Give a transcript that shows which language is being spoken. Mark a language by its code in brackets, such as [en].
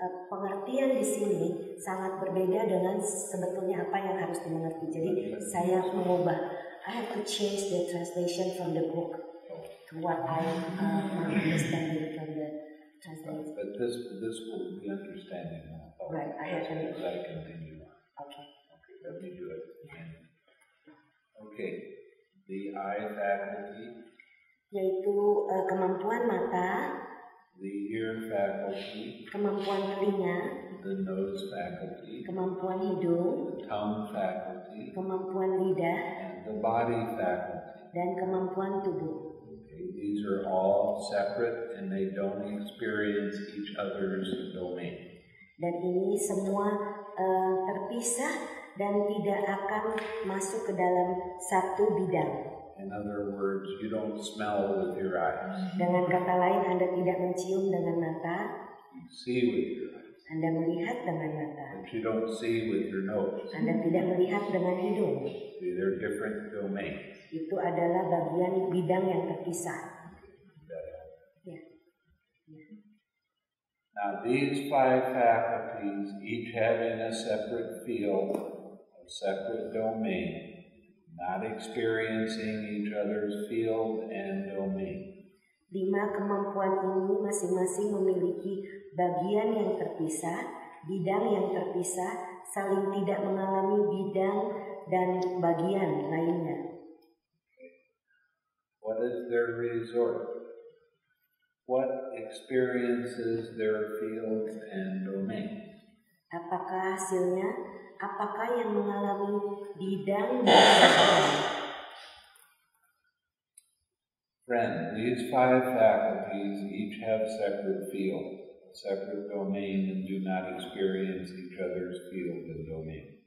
[id] Pengertian di sini sangat berbeda dengan sebetulnya apa yang harus dimengerti. Jadi saya mengubah. [en] I have to change the translation from the book to what I understand from the translation. But this will be understanding. Right. I have to. As I continue. Okay. Okay. Let me do it. Okay. The eye faculty. [id] Yaitu kemampuan mata. [en] The ear faculty, [id] kemampuan telinga, [en] the nose faculty, [id] kemampuan hidung, [en] the tongue faculty, [id] kemampuan lidah, [en] and the body faculty, [id] dan kemampuan tubuh. [en] Okay, these are all separate and they don't experience each other's domain. [id] Dan ini semua terpisah dan tidak akan masuk ke dalam satu bidang. [en] In other words, you don't smell with your eyes. [id] Dengan kata lain, Anda tidak mencium dengan mata. [en] You see with your eyes. [id] Anda melihat dengan mata. [en] But you don't see with your nose. [id] Anda tidak melihat dengan hidung. [en] These are different domains. [id] Itu adalah bagian bidang yang terpisah. [en] Now these five faculties, each having a separate field, a separate domain. Not experiencing each other's field and domain. [id] Lima kemampuan ini masing-masing memiliki bagian yang terpisah, bidang yang terpisah, saling tidak mengalami bidang dan bagian lainnya. [en] What is their resort? What experiences their field and domain? [id] Apakah hasilnya? Apakah yang mengalami bidang dan [en] friend, these five faculties each have separate field, separate domain, and do not experience each other's field and domain.